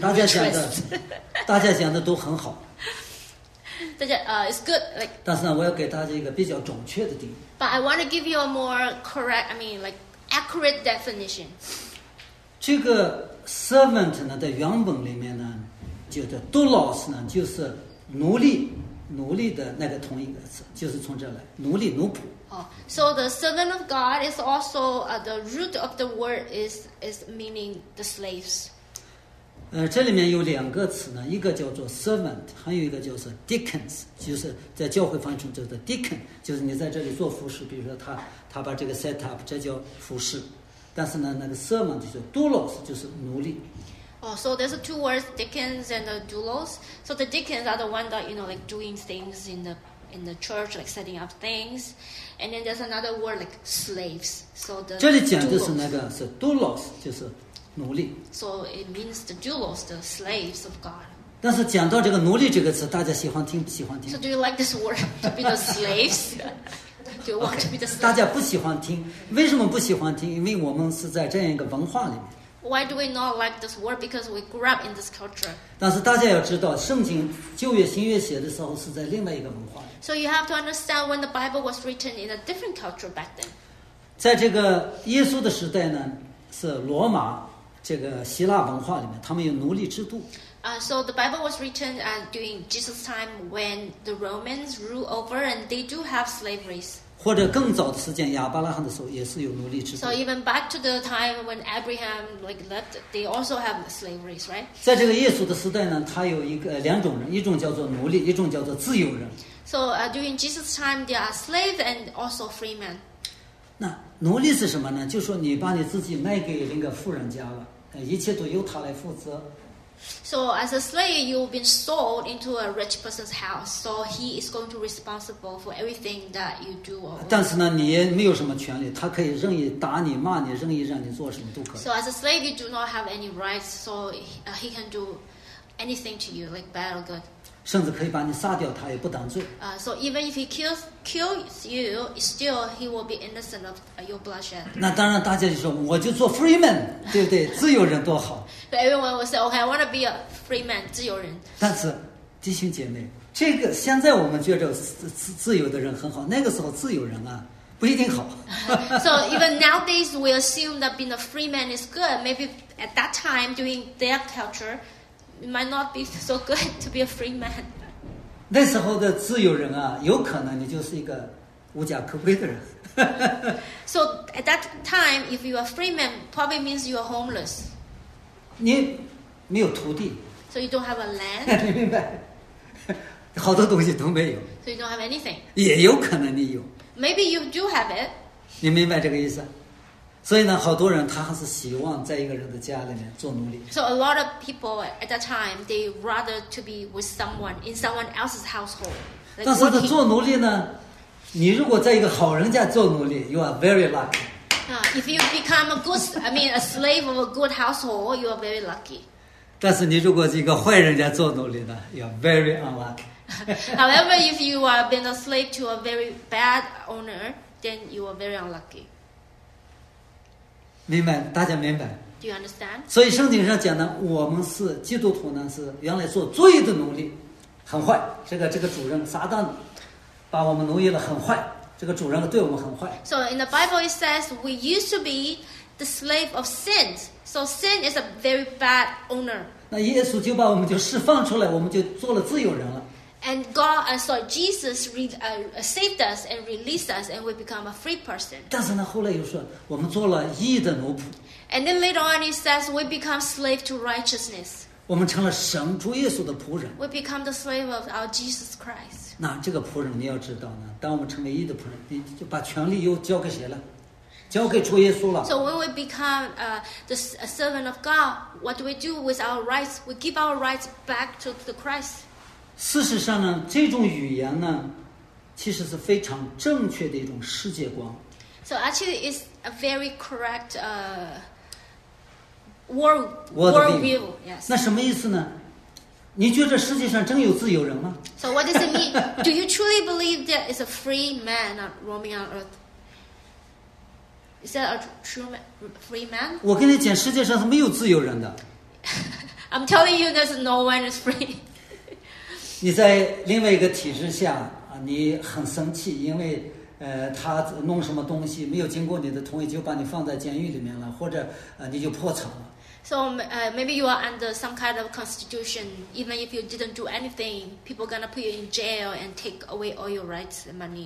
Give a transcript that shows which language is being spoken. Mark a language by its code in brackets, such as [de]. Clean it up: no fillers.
[zh] 大家讲的，大家讲的都很好。大家 [en] it's good. Like. [zh] 但是呢，我要给大家一个比较准确的定义。 [en] But I want to give you a more correct, I mean, like accurate definition. [zh] 这个。Servant 呢，在原本里面呢，就是 doulos 呢，就是奴隶，奴隶的那个同一个词，就是从这来，奴隶、奴仆。 [en] So the servant of God is also the root of the word is meaning the slaves. [zh] 这里面有两个词呢，一个叫做 servant， 还有一个就是 deacons， 就是在教会翻译成叫做 deacon， 就是你在这里做服侍，比如说他把这个 [en] set up， [zh] 这叫服侍。但是呢，那个 servant 就是 doulos， 就是奴隶。 [en] So there's two words, deacons and doulos. So the deacons are the one that, you know, like doing things in the church, like setting up things. And then there's another word like slaves. So the [zh] 这里讲的是那个是 doulos， 就是奴隶。 [en] So it means the doulos, the slaves of God. [zh] 但是讲到这个奴隶这个词，大家喜欢听不喜欢听 [en] ？So do you like this word to be the slaves? [zh] Okay, 大家不喜欢听，为什么不喜欢听？因为我们是在这样一个文化里面。 [en] Why do we not like this word? Because we grew up in this culture. [zh] 但是大家要知道，圣经旧约、新约写的时候是在另外一个文化。 [en] So you have to understand when the Bible was written in a different culture back then. [zh] 在这个耶稣的时代呢，是罗马这个希腊文化里面，他们有奴隶制度。 [en] So the Bible was written during Jesus' time when the Romans rule over, and they do have slaveries. [zh] 或者更早的时间，亚伯拉罕的时候也是有奴隶制度。 [en] So even back to the time when Abraham like left, they also have slaveries, right? [zh] 在这个耶稣的时代呢，他有一个两种人，一种叫做奴隶，一种叫做自由人。 [en] So during Jesus' time, they are slaves and also free men. [zh] 那奴隶是什么呢？就说你把你自己卖给那个富人家了，一切都由他来负责。 [en] So as a slave, you've been sold into a rich person's house. So he is going to be responsible for everything that you do. [zh] 但是呢，你也没有什么权利，他可以任意打你、骂你，任意让你做什么都可以。 [en] So as a slave, you do not have any rights. So he can do anything to you, like bad or good. [zh] 甚至可以把你杀掉，他也不当罪。 [en] So even if he kills you, still he will be innocent of your bloodshed. [zh] 那当然，大家就说，我就做 [en] free man， [zh] 对不对？自由人多好。 [en] But everyone will say, okay, I want to be a free man, [zh] 自由人。但是，弟兄姐妹，这个现在我们觉得自由的人很好，那个时候自由人啊，不一定好。 [en] So even nowadays we assume that being a free man is good. Maybe at that time during their culture. It might not be so good to be a free man. [zh] 那时候的自由人啊，有可能你就是一个无家可归的人。 [en] So at that time, if you are free man, probably means you are homeless. [zh] 你没有土地。 [en] So you don't have a land. [zh] 你明白？好多东西都没有。 [en] So you don't have anything. [zh] 也有可能你有。 [en] Maybe you do have it. [zh] 你明白这个意思？所以呢，好多人他还是希望在一个人的家里面做奴隶。 [en] So a lot of people at that time they rather to be with someone in someone else's household.、Like、 [zh] 但是他做奴隶呢，你如果在一个好人家做奴隶 ， [en] you are very lucky. If you become a good, I mean a slave of a good household, you are very lucky. [zh] 但是你如果是一个坏人家做奴隶呢 ， [en] you are very unlucky. However, if you are being a slave to a very bad owner, then you are very unlucky. [zh] 明白，大家明白。 [en] Do you understand? [zh] 所以圣经上讲呢，我们是基督徒呢，是原来做罪的奴隶，很坏。这个主人撒旦把我们奴役了，很坏。这个主人对我们很坏。 [en] So in the Bible it says we used to be the slave of sin. So sin is a very bad owner. [zh] 那耶稣就把我们就释放出来，我们就做了自由人了。 [en] And God, so Jesus saved us and released us, and we become a free person. [zh] 但是呢，后来又说我们做了义的奴仆。 [en] And then later on, he says we become slave to righteousness. [zh] 我们成了神主耶稣的仆人。 [en] We become the slave of our Jesus Christ. [zh] 那这个仆人你要知道呢，当我们成为义的仆人，你就把权力又交给谁了？交给主耶稣了。 [en] So when we become a servant of God, what do we do with our rights? We give our rights back to the Christ. [zh] 事实上呢，这种语言呢，其实是非常正确的一种世界观。 [en] So actually, it's a very correct worldview. Yes. [zh] 那什么意思呢？你觉得世界上真有自由人吗 [en] ？So what does it mean? Do you truly believe there is a free man roaming on earth? Is that a true free man? [zh] 我跟你讲，世界上是没有自由人的。 [en] I'm telling you, there's no one is free. [zh] 你在另外一个体制下你很生气，因为他弄什么东西没有经过你的同意就把你放在监狱里面了，或者你就破产了。 [en] So maybe you are under some kind of constitution. Even if you didn't do anything, people gonna put you in jail and take away all your rights and money.